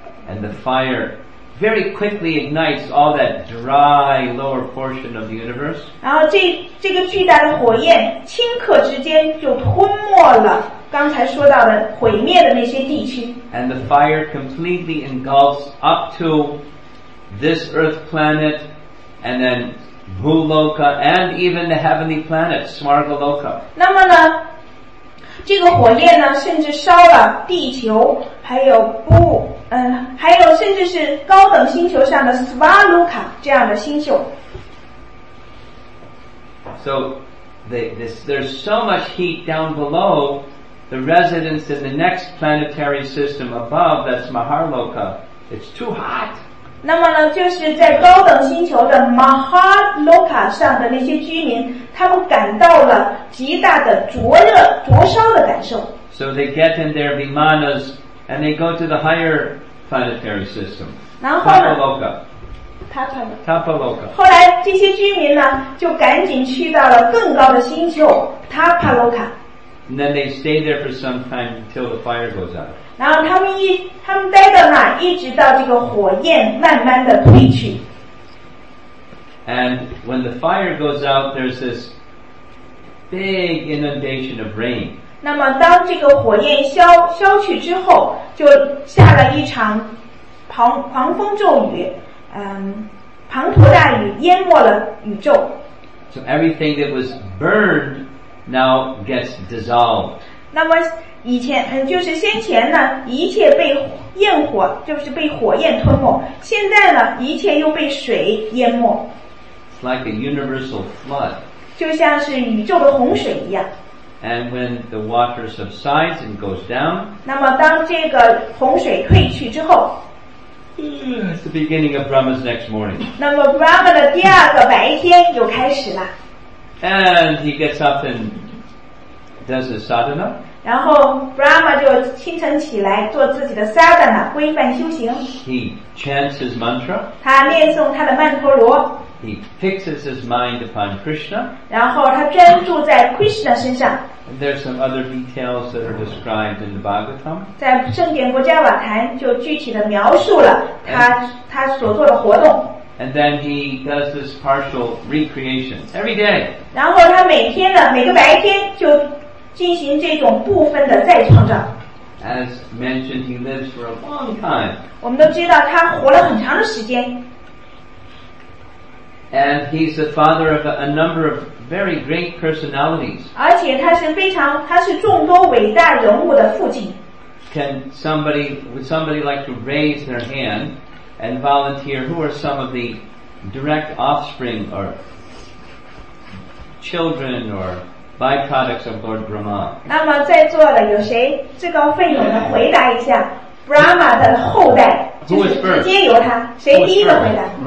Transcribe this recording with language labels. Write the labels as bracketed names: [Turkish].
[English] and the fire very quickly ignites all that dry lower portion of the universe. [Chinese] 然后这个巨大的火焰顷刻之间就吞没了刚才说到的毁灭的那些地区 [English] and the fire completely engulfs up to this earth planet and then Bhuloka and even the heavenly planet Swargaloka. [Chinese] 那么呢，这个火焰呢，甚至烧了地球，还有甚至是高等星球上的 Svaloka 这样的星宿。 [English] So, there's so much heat down below. The residents in the next planetary system above, that's Maharloka, it's too hot. [Chinese] 那么呢，就是在高等星球的 Mahaloka 上的那些居民，他们感到了极大的灼热、灼烧的感受。 [English] So they get in their vimanas and they go to the higher planetary system. [Chinese] 然后呢？Tapaloka. Tapaloka. 后来这些居民呢，就赶紧去到了更高的星球 Tapaloka. [English] And then they stay there for some time until the fire goes out. [Chinese] 然后他们待到那，一直到这个火焰慢慢的退去。 [English] And when the fire goes out, there's this big inundation of rain. [Chinese] 那么当这个火焰消去之后，就下了一场狂风骤雨，滂沱大雨淹没了宇宙。 [English] So everything that was burned now gets dissolved. [Chinese] 那么以前就是先前呢，一切被焰火就是被火焰吞没，现在呢，一切又被水淹没。 [English] It's like a universal flood. [Chinese] 就像是宇宙的洪水一样。 [English] And when the water subsides and goes down. [Chinese] 那么当这个洪水退去之后。 [English] It's the beginning of Brahma's next morning. [Chinese] 那么 Brahma 的第二个白天又开始了。 [English] And he gets up and does his sadhana. [Chinese] 然后 Brahma 就清晨起来做自己的 sadhana 规范修行 [English] He chants his mantra [Chinese] 他念诵他的曼陀罗 [English] He fixes his mind upon Krishna [Chinese] 然后他专注在 Krishna 身上 [English] There's some other details that are described in the Bhagavatam [Chinese] 在圣典国家瓦坛就具体的描述了 他所做的活动 [English] And then he does this partial recreation every day [Chinese] 然后他每天呢每个白天就进行这种部分的再创造。 [English] As mentioned, he lives for a long time. [Chinese] 我们都知道他活了很长的时间。 [English] And he's the father of a number of very great personalities. [Chinese] 而且他是众多伟大人物的父亲。 [English] Can somebody, would somebody like to raise their hand and volunteer? Who are some of the direct offspring or children or Byproducts of Lord Brahma. [Chinese] 那么在座的有谁自告奋勇的回答一下 Brahma 的后代，就是直接由他，谁第一个回答？